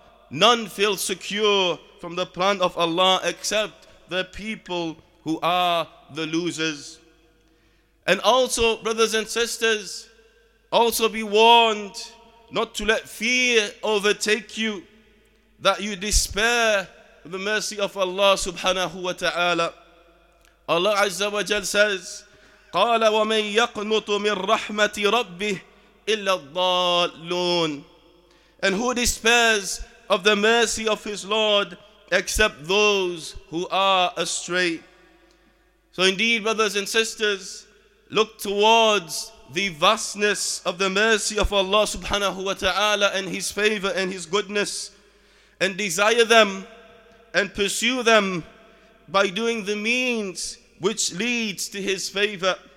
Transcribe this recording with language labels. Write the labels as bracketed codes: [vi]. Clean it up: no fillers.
[en] None feel secure from the plan of Allah except the people who are the losers. And also, brothers and sisters, also be warned not to let fear overtake you, that you despair the mercy of Allah subhanahu wa ta'ala. [ar] Allah azza wa jal says, قَالَ وَمَنْ يَقْنُطُ مِنْ رَحْمَةِ رَبِّهِ إِلَّا الضَّالُّونَ. [en] And who despairs of the mercy of his Lord except those who are astray? So indeed, brothers and sisters, look towards the vastness of the mercy of Allah subhanahu wa ta'ala and His favor and His goodness, and desire them and pursue them by doing the means which leads to His favor.